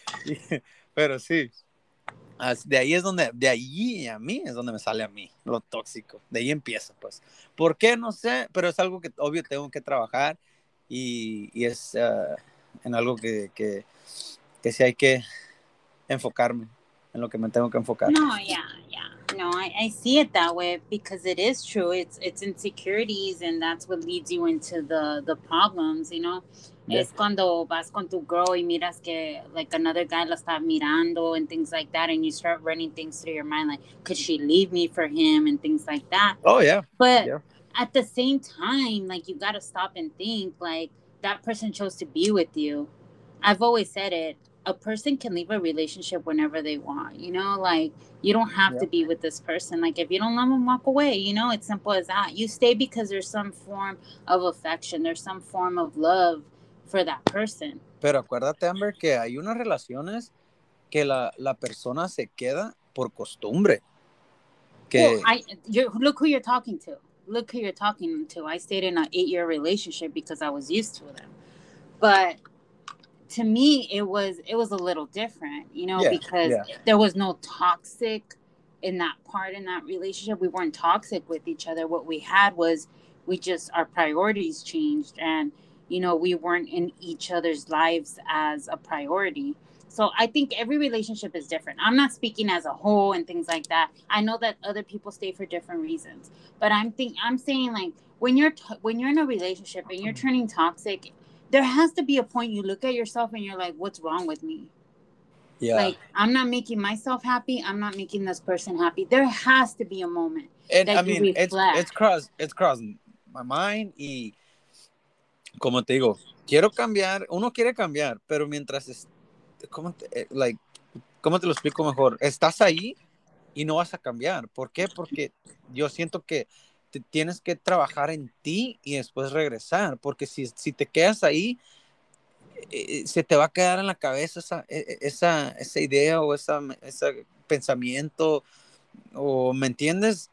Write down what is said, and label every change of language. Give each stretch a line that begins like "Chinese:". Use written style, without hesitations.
Spanish: Y, pero sí, de ahí es donde, de ahí a mí es donde me sale a mí lo tóxico. De ahí empieza, pues. ¿Por qué? No sé, pero es algo que obvio tengo que trabajar. Y es en algo que sí hay que enfocarme, en lo que me tengo que enfocar.
English: No, yeah. No, I see it that way because it is true. It's insecurities and that's what leads you into the problems, you know. Yeah.
Spanish: Es cuando vas con tu
English: girl
Spanish: y miras que,
English: like, another guy
Spanish: la está mirando
English: and things like that, and you start running things through your mind, like, could she leave me for him and things like that. Oh, yeah. But yeah. At the same time, like, you got to stop and think, like, that person chose to be with you. I've always said it. A person can leave a relationship whenever they want, you know, like, you don't have to be with this person. Like, if you don't love them, walk away, you know, it's simple as that. You stay because there's some form of affection, there's some form of love for that person.
Spanish: Pero acuérdate, Amber, que hay unas relaciones que la persona se queda por costumbre. Que...
English: Look who you're talking to. I stayed in an 8-year relationship because I was used to them. But... to me, it was a little different, you know, there was no toxic in that part, in that relationship. We weren't toxic with each other. What we had was our priorities changed and, you know, we weren't in each other's lives as a priority. So I think every relationship is different. I'm not speaking as a whole and things like that. I know that other people stay for different reasons, but I'm saying like when you're in a relationship and you're turning toxic, there has to be a point you look at yourself and you're like, what's wrong with me? Yeah. Like, I'm not making myself happy. I'm not making this person happy. There has to be a moment. And that I mean, it's crossing my mind.
Spanish: Y como te digo, quiero cambiar. Uno quiere cambiar, pero mientras es, ¿cómo te lo explico mejor? Estás ahí y no vas a cambiar. ¿Por qué? Porque yo siento que tienes que trabajar en ti y después regresar, porque si te quedas ahí, se te va a quedar en la cabeza esa idea o ese pensamiento, o ¿me entiendes?